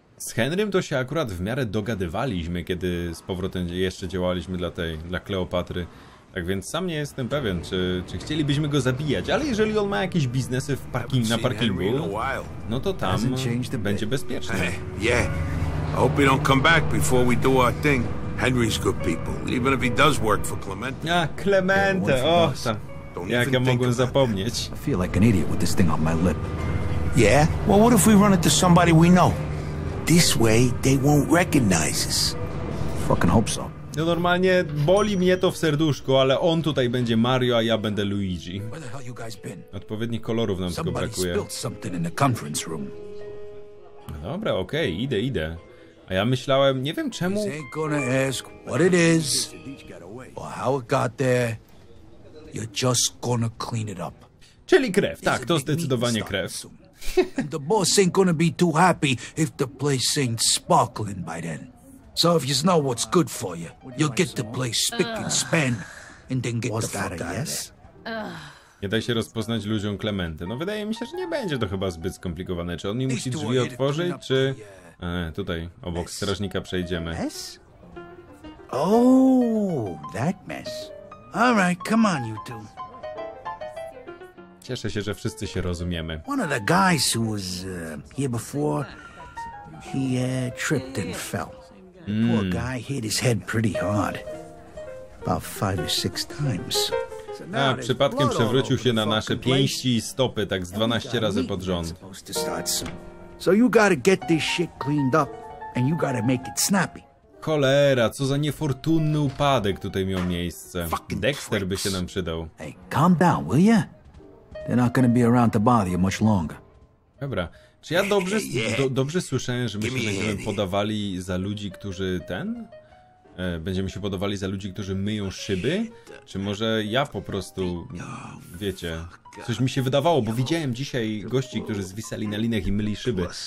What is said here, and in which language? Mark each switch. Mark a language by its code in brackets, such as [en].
[pl] Z Henrym to się akurat w miarę dogadywaliśmy, kiedy z powrotem jeszcze działaliśmy dla tej, dla Kleopatry. Tak więc sam nie jestem pewien, czy chcielibyśmy go zabijać, ale jeżeli on ma jakieś biznesy w parking, na parkingu, no to tam będzie bezpiecznie. [en] Yeah. I hope he don't come back before we do our thing. Henry's good people, even if he does work for Clemente. [pl] A, Clemente, och, jak ja mogłem zapomnieć. [en] I feel like an idiot with this thing on my lip. Yeah? Well, what if we run into somebody we know? This way, they won't recognize us. Fucking hope so. [pl] No normalnie, boli mnie to w serduszku, ale on tutaj będzie Mario, a ja będę Luigi. [en] Where the hell you guys been? [pl] Odpowiednich kolorów nam [en] somebody [pl] tylko brakuje. [en] Somebody spilled something in the conference room. [pl] No dobra, okej, [en] okay, [pl] idę. A ja myślałem, nie wiem czemu... [en] He's ain't gonna ask what it is, or how it got there. You're just gonna clean it up. [pl] Czyli krew, tak, to zdecydowanie krew. [en] And the boss ain't gonna be too happy if the place ain't sparkling by then. So if you know what's good for you, you'll get the place spick and span, and then get the fuck out of there. [pl] Nie da się rozpoznać ludziom Clemente. No wydaje mi się, że nie będzie to chyba zbyt skomplikowane. Czy on mi musi drzwi otworzyć, czy... tutaj, obok strażnika przejdziemy. [en] Mess? Oh, that mess. All right, come on, you two. [pl] Cieszę się, że wszyscy się rozumiemy. [en] One of the guys who was here before, he tripped and fell. Poor guy hit his head pretty hard. About 5 or 6 times. [pl] A, przypadkiem przewrócił się na nasze pięści i stopy, tak z 12 razy pod rząd. [en] So you gotta get this shit cleaned up, and you gotta make it snappy. [pl] Cholera, co za niefortunny upadek tutaj miał miejsce. Fucking Dexter by się nam przydał. [en] Hey, calm down, will ya? They're not gonna be around to bother you much longer. [pl] Dobra, czy ja dobrze, dobrze słyszałem, że my się będziemy podawali za ludzi, którzy ten? Będziemy się podawali za ludzi, którzy myją szyby? Czy może ja po prostu, wiecie... Coś mi się wydawało, bo widziałem dzisiaj gości, którzy zwisali na linach i myli szyby.